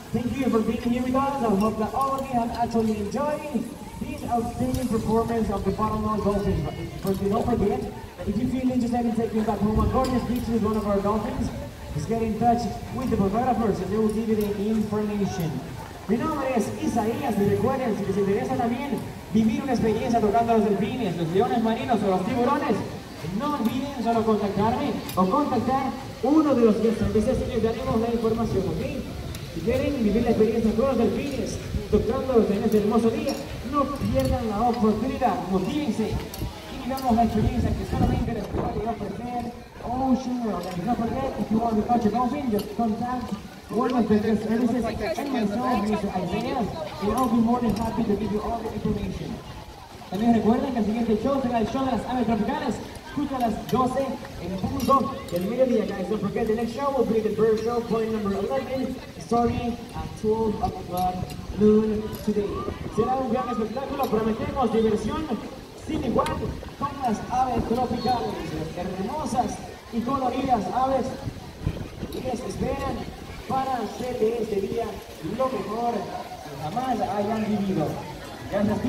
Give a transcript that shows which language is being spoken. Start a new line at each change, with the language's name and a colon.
English: Actually enjoying this outstanding performance of the bottlenose dolphins. First, don't forget, if you feel interested in taking back home a gorgeous picture with one of our dolphins, just get in touch with the photographers and they will give you the information.
Spanish: Mi nombre es Isaías, y recuerden, si les interesa también vivir una experiencia tocando a los delfines, los leones marinos o los tiburones, no olviden solo contactarme o contactar uno de los guests. Entonces, les daremos la información, ¿ok? Si quieren vivir la experiencia con los delfines, tocándolos en este hermoso día, no pierdan la oportunidad, motívense y vivamos la experiencia que solamente les puede ofrecer Ocean World.
English: And no forget, if you want to touch a dolphin, just contact one of the best services and myself, Mr. Isaías, and I'll be more than happy to give you all the information.
Spanish: También recuerden que el siguiente show será el show de las aves tropicales, justo a las 12 en punto del mediodía, guys.
English: Don't forget, the next show will be the bird show, point number 11, starting at 12 o'clock. Today.
Spanish: Será un gran espectáculo, prometemos diversión sin igual con las aves tropicales, hermosas y coloridas aves que les esperan para hacer de este día lo mejor que jamás hayan vivido. Gracias.